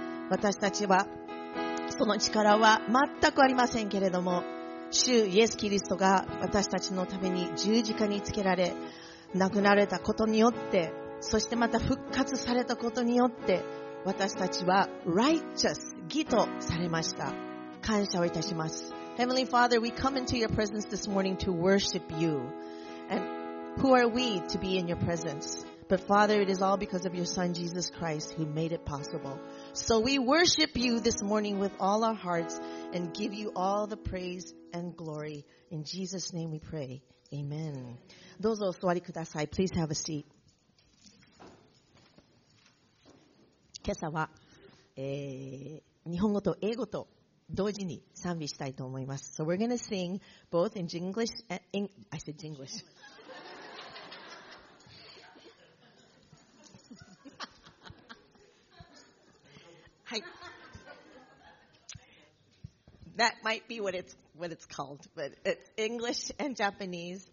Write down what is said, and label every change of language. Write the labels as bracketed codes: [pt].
[ja] 私たちはその力は全くありませんけれども、主イエスキリストが私たちのために十字架につけられ、亡くなられたことによって、そしてまた復活されたことによって、私たちは righteous 義とされました。感謝をいたします。 [en] Heavenly Father, we come into your presence this morning to worship you. And who are we to be in your presence? But Father, it is all because of your Son Jesus Christ who made it possible. So we worship you this morning with all our hearts and give you all the praise and glory. In Jesus' name we pray. Amen. [ja] どうぞお座りください。 [en] Please have a seat. [ja] 今朝は、日本語と英語と同時に賛美したいと思います。 [en] So we're going to sing both in Jinglish and in, I said Jinglish. [ja] はい。 [en] That might be what it's called, but it's English and Japanese.